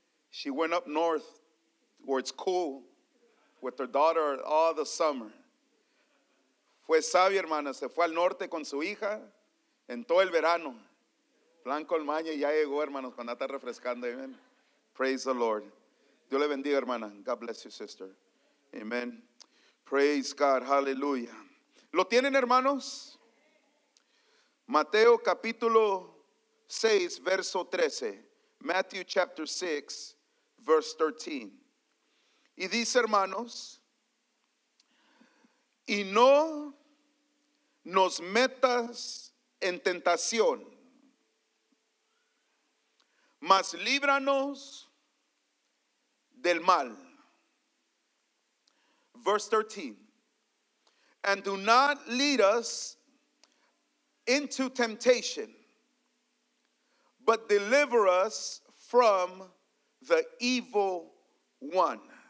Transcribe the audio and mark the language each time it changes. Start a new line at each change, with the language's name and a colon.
English: She went up north, where it's cool, with her daughter all the summer.
Spanish: Fue sabia, hermana. Se fue al norte con su hija en todo el verano. Blanco el maño ya llegó, hermanos, cuando está refrescando.
English: Amen. Praise the Lord.
Spanish: Dios le bendiga, hermana.
English: God bless you, sister. Amen. Praise God. Hallelujah.
Spanish: ¿Lo tienen, hermanos? Mateo capítulo 6, verso 13.
English: Matthew chapter 6, verse 13.
Spanish: Y dice, hermanos, y no nos metas en tentación, mas líbranos del mal.
English: Verse 13. And do not lead us into temptation, but deliver us from the evil one.